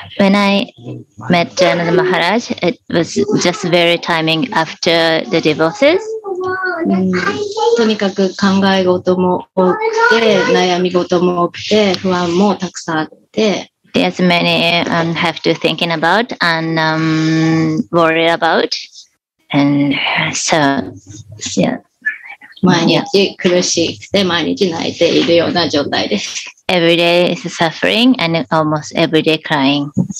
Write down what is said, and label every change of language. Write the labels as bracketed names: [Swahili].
[English] When I met Jayananda Maharaj, it was just very timing after the divorces. [Japanese] とにかく考え事も多くて、悩み事も多くて、不安もたくさんあって、 [English] There's many have to thinking about and worry about. And so, yeah. Every day is suffering and almost every day crying.